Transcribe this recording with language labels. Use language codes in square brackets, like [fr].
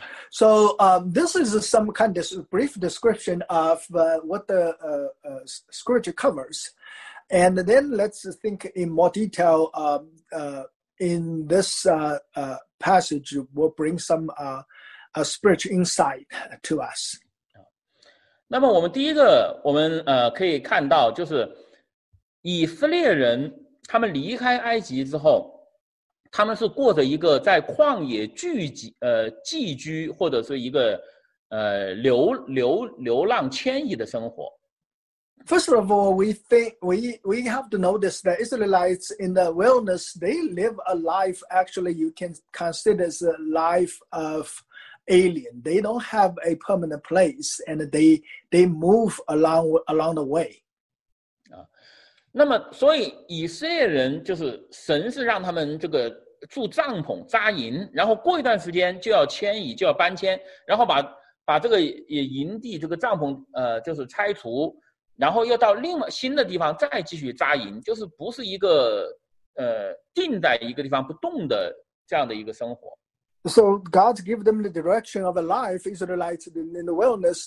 [en] So this is some kind of brief description of what the scripture covers. And then let's think in more detail in this passage will bring some spiritual insight to us. [zh] 那么我们第一个我们可以看到就是以色列人他们离开埃及之后他们是过着一个在旷野寄居或者是一个流浪迁移的生活。 [en] First of all, we have to notice that Israelites in the wilderness, they live a life actually you can consider as a life of alien. They don't have a permanent place and they move along the way. [zh] 那么所以以色列人就是神是让他们这个住帐篷扎营然后过一段时间就要迁移就要搬迁然后把这个营地这个帐篷就是拆除然后又到另外新的地方再继续扎营就是不是一个定在一个地方不动的这样的一个生活。 [en] So God gave them the direction of a life, Israelites in the wilderness.